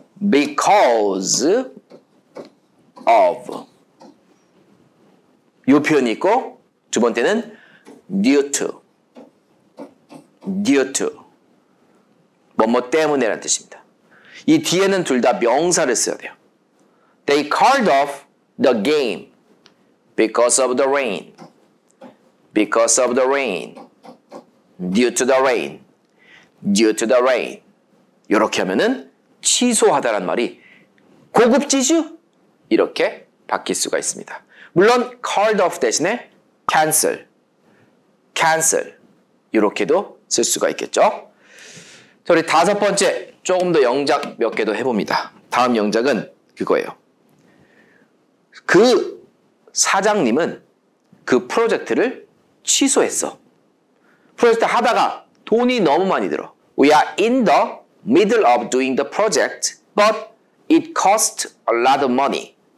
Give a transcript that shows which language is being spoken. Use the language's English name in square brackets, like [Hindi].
[Korean] because of 요 표현이 있고 두 번째는 due to 뭐뭐 때문에 라는 뜻입니다. 이 뒤에는 둘 다 명사를 써야 돼요. [English] They called off the game because of the rain. because of the rain. due to the rain. due to the rain. [Korean] 이렇게 하면은 취소하다라는 말이 고급지죠? 이렇게 바뀔 수가 있습니다. 물론 [English] called off [Korean] 대신에 [English] cancel. cancel. [Korean] 이렇게도 쓸 수가 있겠죠? 자, 우리 다섯 번째 조금 더 영작 몇 개 더 해봅니다. 다음 영작은 그거예요. 그 사장님은 그 프로젝트를 취소했어. 프로젝트 하다가 돈이 너무 많이 들어. [English] We are in the middle of doing the project, but it cost a lot of money.